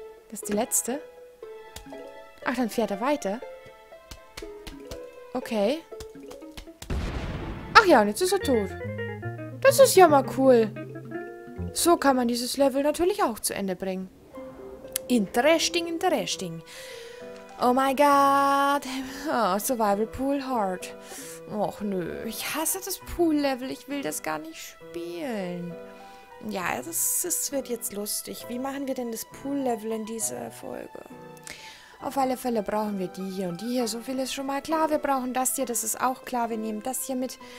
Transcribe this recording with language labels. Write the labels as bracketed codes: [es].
[de] Das ist die letzte. Ach, dann fährt er weiter. Okay. Ach ja, und jetzt ist er tot. Das ist ja mal cool. So kann man dieses Level natürlich auch zu Ende bringen. [en] Interesting, interesting. Oh my god. Oh, Survival Pool Hard. [de] Och nö, ich hasse das Pool-Level. Ich will das gar nicht spielen. Ja, das wird jetzt lustig. Wie machen wir denn das Pool-Level in dieser Folge? Auf alle Fälle brauchen wir die hier und die hier. So viel ist schon mal klar. Wir brauchen das hier, das ist auch klar. Wir nehmen das hier mit.